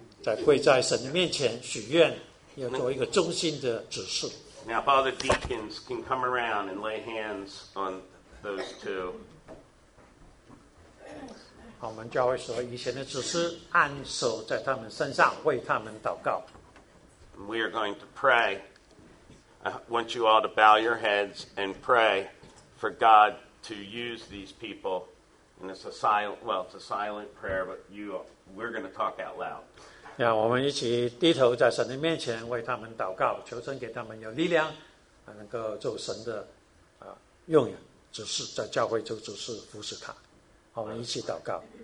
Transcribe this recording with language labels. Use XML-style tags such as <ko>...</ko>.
<zh>在跪在神的面前许愿，要做一个忠心的指示。</zh> <en>Now, if all the deacons can come around and lay hands on those two.</en> <zh>好，我们教会所以前的指示，按手在他们身上，为他们祷告。</zh> <en>We are going to pray. I want you all to bow your heads and pray for God to use these people. And it's a silent, well, it's a silent prayer, but we're going to talk out loud.</en> <zh>Yeah, 我们一起低头在神的面前为他们祷告，求神给他们有力量，能够做神的用人，只是在教会做只是服侍他。我们一起祷告。</zh>